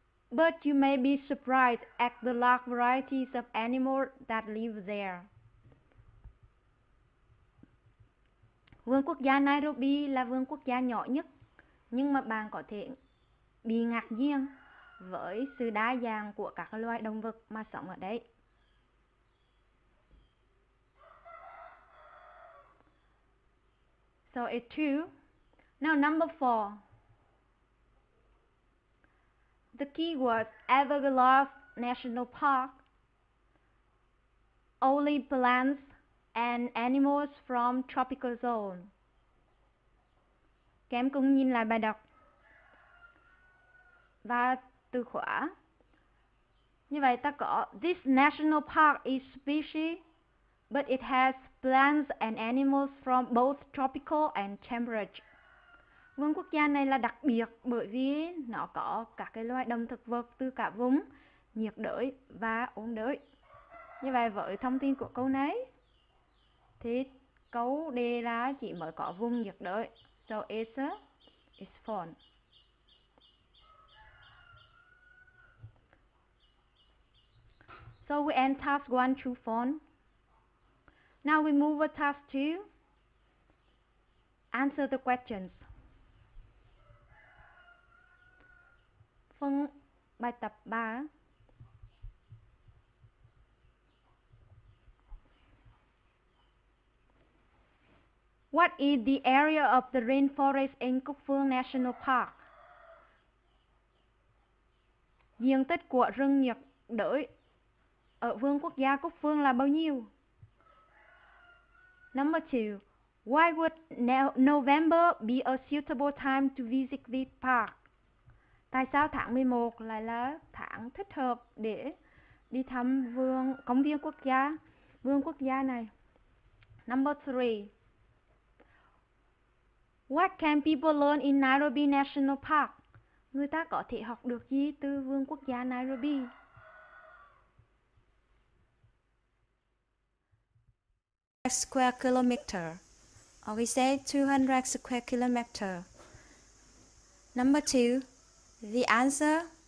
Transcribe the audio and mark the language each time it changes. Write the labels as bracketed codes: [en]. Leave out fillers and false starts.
[en] But you may be surprised at the large varieties of animals that live there. [vi] Vườn quốc gia Nairobi là vườn quốc gia nhỏ nhất, nhưng mà bạn có thể bị ngạc nhiên với sự đa dạng của các loài động vật mà sống ở đấy. [en] So it's true. Now number 4. The keyword Everglades National Park. Only plants and animals from tropical zone. [vi] Các em cùng nhìn lại bài đọc. Và từ khóa. Như vậy ta có [en] this national park is species, but it has plants and animals from both tropical and temperate. [vi] Vườn quốc gia này là đặc biệt bởi vì nó có các cái loài động thực vật từ cả vùng nhiệt đới và ôn đới. Như vậy với thông tin của câu này thì câu đề là chỉ mới có vùng nhiệt đới. [en] So it's false. So we end task 1 through 4. Now we move to task 2. Answer the questions. [vi] Phần bài tập 3. [en] What is the area of the rainforest in Cuc Phuong National Park? [vi] Diện tích của rừng nhiệt đới ở vườn quốc gia Cuc Phuong là bao nhiêu? [en] Number 2. Why would November be a suitable time to visit this park? [vi] Tại sao tháng 11 lại là tháng thích hợp để đi thăm vườn công viên quốc gia, vườn quốc gia này? [en] Number 3. What can people learn in Nairobi National Park? [vi] Người ta có thể học được gì từ vườn quốc gia Nairobi? [en] Square kilometer, or we say 200 square kilometer. Number 2, the answer.